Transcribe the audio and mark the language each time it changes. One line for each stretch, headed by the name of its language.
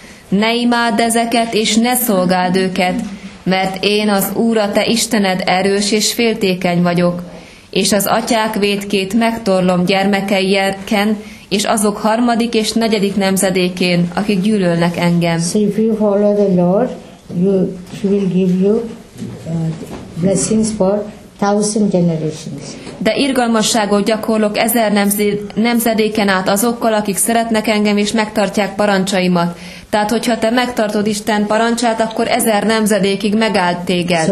Hungarian: Ne imádd ezeket, és ne szolgáld őket, mert én az Úr, a te Istened erős és féltékeny vagyok. És az atyák vétkét megtorlom gyermekeiken, és azok harmadik és negyedik nemzedékén, akik gyűlölnek engem.
English: So if you follow the Lord, he will give you blessings for 1000 generations.
Hungarian: De irgalmasságot gyakorlok 1000 nemzedéken át azokkal, akik szeretnek engem és megtartják parancsaimat. Tehát, hogyha te megtartod Isten parancsát, akkor 1000 nemzedékig megállt téged.